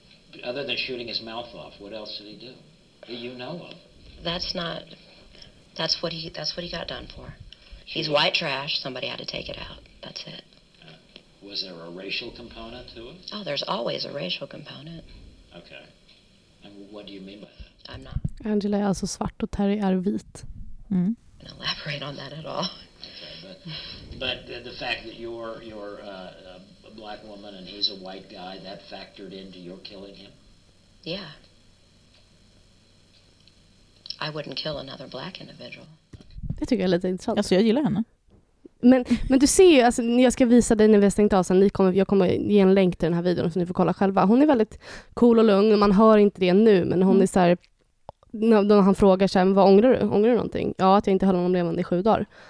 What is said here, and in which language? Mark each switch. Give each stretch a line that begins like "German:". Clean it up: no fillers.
English: But other than shooting his mouth off, what else did he do that you know of? That's not, that's what he got done for. He's white trash. Somebody had to take it out. That's it. Was there a racial component to it? Oh, there's always a racial component. Okay. And what do you mean by that? I'm not.
Swedish: Angela är alltså svart och Terry är vit. Mm.
English: I don't elaborate on that at all. Okay, but the fact that you're a black woman and he's a white guy, that factored into your killing him? Yeah. I wouldn't kill another black individual.
Swedish: Det tycker jag är lite intressant. Alltså jag gillar henne. Men du ser ju, alltså, jag ska visa dig när vi har stängt av sen. Jag kommer ge en länk till den här videon så ni får kolla själva. Hon är väldigt cool och lugn. Man hör inte det nu, men hon är så här, när han frågar så här, vad ångrar du? Ångrar du någonting? Ja, att jag inte höll honom levande i 7 dagar.